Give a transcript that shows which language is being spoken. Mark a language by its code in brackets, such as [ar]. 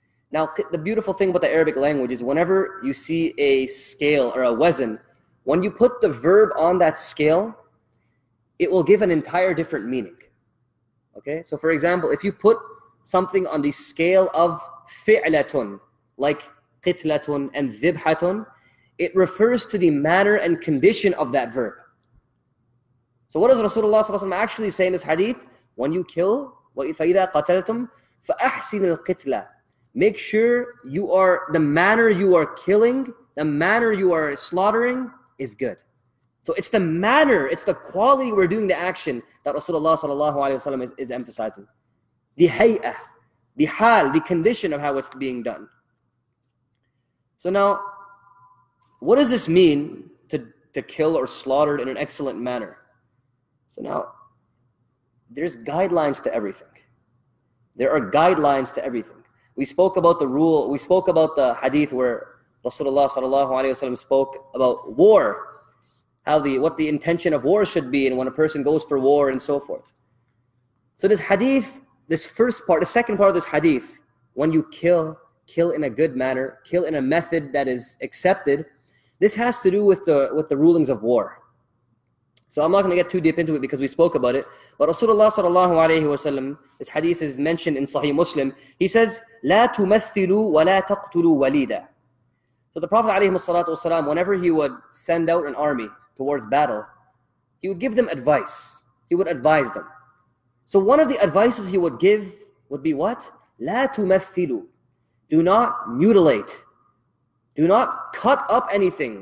[en] Now, the beautiful thing about the Arabic language is whenever you see a scale or a wazan, when you put the verb on that scale, it will give an entire different meaning. Okay? So for example, if you put something on the scale of fi'latun, like qitlatun and dhibhatun, it refers to the manner and condition of that verb. So what does Rasulullah ﷺ actually say in this hadith? When you kill, [ar] وَإِذَا قَتَلْتُمْ فَأَحْسِنِ الْقِتْلَ. [en] Make sure you are, the manner you are killing, the manner you are slaughtering is good. So it's the manner, it's the quality we're doing the action that Rasulullah ﷺ is emphasizing. The hay'ah, the hal, the condition of how it's being done. So now, what does this mean to kill or slaughter in an excellent manner? So now, there's guidelines to everything. There are guidelines to everything. We spoke about the rule, we spoke about the hadith where Rasulullah sallallahu alayhi wa sallam spoke about war, what the intention of war should be and when a person goes for war and so forth. So this hadith, this first part, the second part of this hadith, when you kill in a good manner, kill in a method that is accepted, this has to do with the rulings of war. So I'm not going to get too deep into it because we spoke about it. But Rasulullah sallallahu alayhi wa sallam, this hadith is mentioned in Sahih Muslim. He says, [ar] لَا تُمَثِّلُوا وَلَا تَقْتُلُوا وَلِيدًا. [en] So the Prophet alayhi salatu wasalam, whenever he would send out an army towards battle, he would give them advice. He would advise them. So one of the advices he would give would be what? [ar] لا تمثلوا. [en] Do not mutilate. Do not cut up anything.